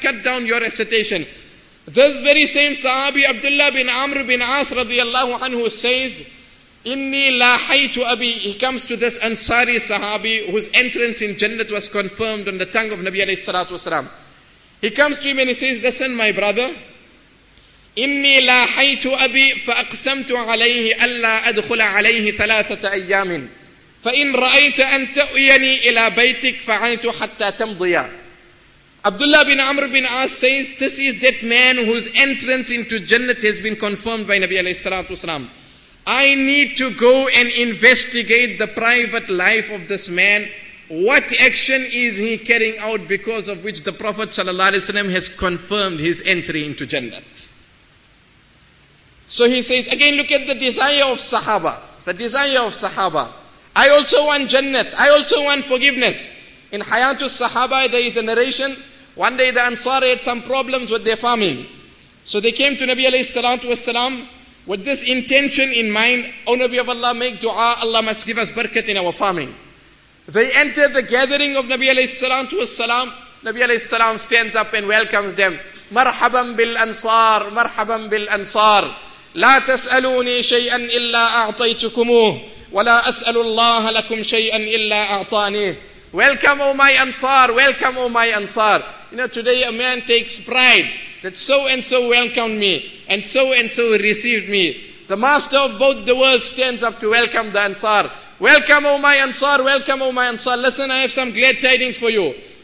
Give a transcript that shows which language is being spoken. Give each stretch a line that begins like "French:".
English: Cut down your recitation. This very same Sahabi Abdullah bin Amr bin As radiyallahu anhu says,
Arabic: "Inni lahaytu abi."
English: He comes to this Ansari Sahabi whose entrance in Jannah was confirmed on the tongue of Nabi alayhi salatu wasalam. He comes to him and he says, "Listen, my brother.
Arabic: إني لاحيت أبي فأقسمت عليه ألا أدخل عليه ثلاثة أيام فإن رأيت أن تأويني إلى بيتك فعلت حتى تمضي."
English: Abdullah bin Amr bin As says, this is that man whose entrance into Jannah has been confirmed by Nabi alayhi salatu wasalam. I need to go and investigate the private life of this man. What action is he carrying out because of which the Prophet sallallahu alayhi wasalam has confirmed his entry into Jannah? So he says, again, look at the desire of Sahaba. The desire of Sahaba. I also want Jannah. I also want forgiveness. In Hayatul Sahaba, there is a narration. One day the Ansari had some problems with their farming. So they came to Nabi alayhi salatu wasalam with this intention in mind. O Nabi of Allah, make dua. Allah must give us barakat in our farming. They enter the gathering of Nabi alayhi salatu wasalam. Nabi alayhi salam stands up and welcomes them.
Arabic: مرحباً بالأنصار مرحباً بالأنصار لا تسألوني شيئاً إلا أعطيتكموه ولا أسأل الله لكم شيئاً إلا أعطاني.
English: Welcome, O my Ansar. Welcome, O my Ansar. You know, today a man takes pride that so and so welcomed me and so received me. The master of both the world stands up to welcome the Ansar. Welcome, O my Ansar. Welcome, O my Ansar. Listen, I have some glad tidings for you.